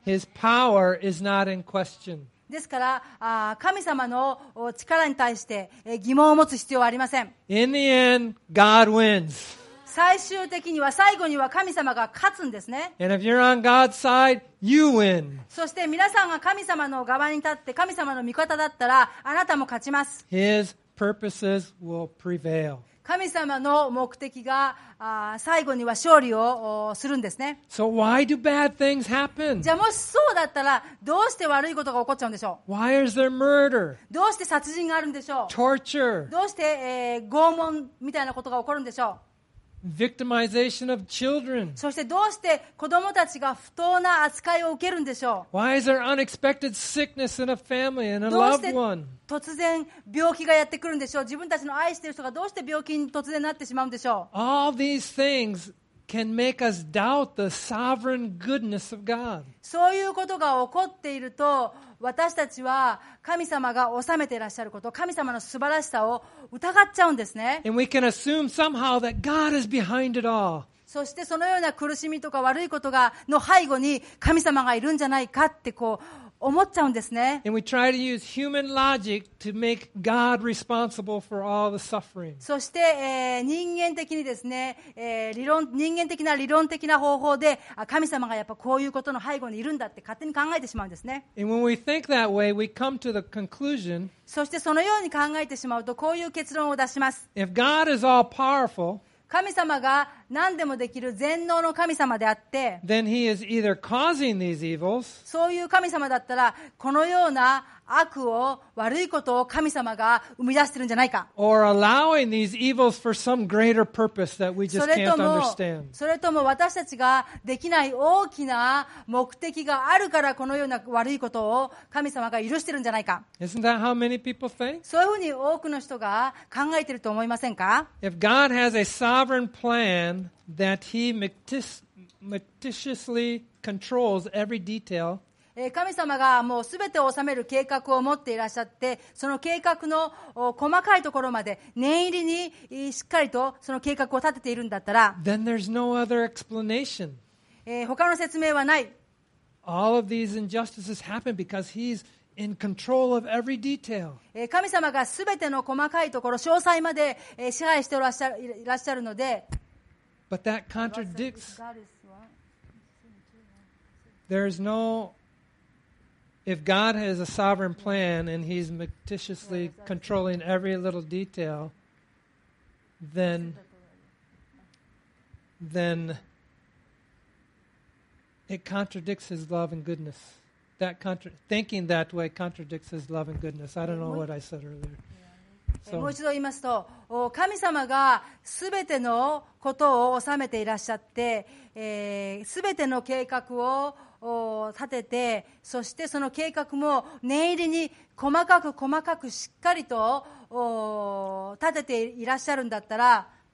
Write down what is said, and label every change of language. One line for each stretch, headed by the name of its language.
English: His power is not in question.
Japanese: ですから神様の力に対して疑問を持つ必要はありません。
English: In the end, God wins.
Japanese: 最終的には最後には神様が勝つんですね。
English: And if you're on God's side, you win.
Japanese: そして皆さんが神様の側に立って神様の味方だったらあなたも勝ちます。
English: His purposes will prevail.
Japanese: 神様の目的が最後には勝利をするんですね。
English: So why do bad things happen?
Japanese: じゃあもしそうだったらどうして悪いことが起こっちゃうんでしょう。
English: Why is there murder?
Japanese: どうして殺人があるんでしょう。
English: Torture.
Japanese: どうして、拷問みたいなことが起こるんでしょう。
English: Victimization of children.
Japanese: そしてどうして子供たちが不当な扱いを受けるんでしょう。
English: Why is there unexpected sickness in a family and a loved one?
Japanese: どうして突然病気がやってくるんでしょう。自分たちの愛している人がどうして病気に突然なってしまうんでしょう。
English: All these things can make us doubt the sovereign goodness of God.
Japanese: そういうことが起こっていると私たちは神様が治めていらっしゃること、神様の素晴らしさを疑っちゃうんですね。
English: And we can assume somehow that God is behind it all.
Japanese: そしてそのような苦しみとか悪いことがの背後に神様がいるんじゃないかってこう思っちゃうんですね。
English: And we try to use human logic to make God responsible for all the suffering.
Japanese: そして、人間的にですね、人間的な理論的な方法で、神様がやっぱこういうことの背後にいるんだって勝手に考えてしまうんですね。
English: And when we think that way, we come to the conclusion.
Japanese: そしてそのように考えてしまうとこういう結論を出します。
English: If God is all powerful,
Japanese: 神様が何でもできる全能の神様であって、
English: then he is either causing these evils,
Japanese: そういう神様だったらこのような悪を悪いことを神様が生み出してるんじゃないか、
English: or allowing these evils for some greater purpose that we just can't understand.
Japanese: それとも私たちができない大きな目的があるからこのような悪いことを神様が許してるんじゃないか。
English: Isn't that how many people think?
Japanese: そういうふうに多くの人が考えてると思いませんか。
English: If God has a sovereign plan that he meticulously controls every detail.
Japanese: 神様がもうすべてを治める計画を持っていらっしゃって、その計画の細かいところまで念入りにしっかりとその計画を立てているんだったら、
English: then there's no other explanation.
Japanese: 他の説明はない。
English: All of these injustices happen because he's in control of every detail.
Japanese: 神様がすべての細かいところ、詳細まで支配していらっしゃるので。
English: But that contradicts. There is no. If God has a sovereign plan and He's meticulously controlling every little detail, then it contradicts His love and goodness. Thinking that way contradicts His love and goodness. I don't know what I said earlier.
Japanese: もう一度言いますと、神様がすべてのことを収めていらっしゃって、すべての計画を立てて、そしてその計画も念入りに細かく細かくしっかりと立てていらっしゃるんだったら、